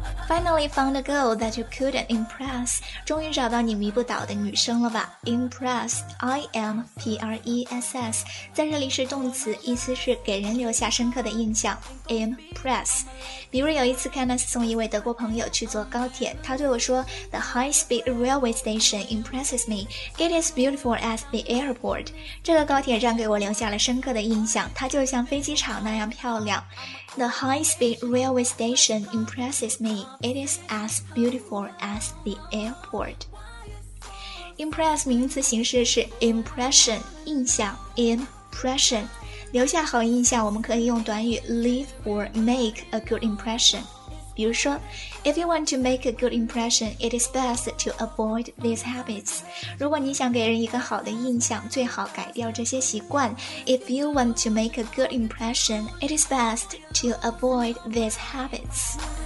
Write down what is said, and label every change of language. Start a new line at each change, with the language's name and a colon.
English: Finally found a girl that you couldn't impress.
Chinese: 终于找到你迷不倒的女生了吧。 Impress, I-M-P-R-E-S-S, 在这里是动词，意思是给人留下深刻的印象。Impress. 比如有一次 Kenneth 送一位德国朋友去坐高铁，他对我说
English: The high-speed railway station impresses me. It is beautiful as the airport.
Chinese: 这个高铁站给我留下了深刻的印象，它就像飞机场那样漂亮。
English: The high-speed railway station impresses me. It is as beautiful as the airport.
Chinese: Impress 名词形式是 impression, 印象 impression. 留下好印象我们可以用短语
English: leave or make a good impression.
Chinese: 比如说
English: if you want to make a good impression, it is best to avoid these habits.
Chinese: 如果你想给人一个好的印象，最好改掉这些习惯。
English: If you want to make a good impression, it is best to avoid these habits.